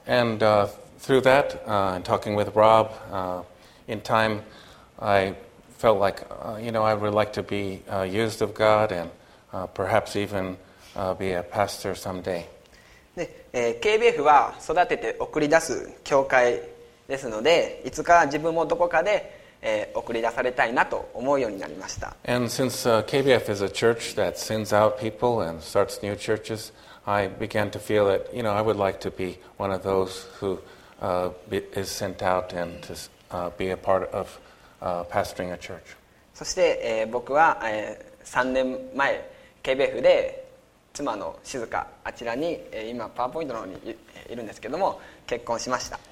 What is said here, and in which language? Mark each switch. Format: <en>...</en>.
<en>And through that, talking with Rob, in time, I felt like, you know, I would like to be used of God and perhaps even be a pastor someday.</en> <ja>KBF は育てて送り出す教会ですのでいつか自分もどこかで送り出されたいなと思うようになりました。</ja> <en>And since KBF is a church that sends out people and starts new churches, I began to feel that, you know, I would like to be one of those who is sent out and to be a part of pastoring a church.</en> <ja>そして、僕は、3年前 KBF で妻の静香あちらに、今パワーポイントの方に いるんですけども結婚しました。</ja>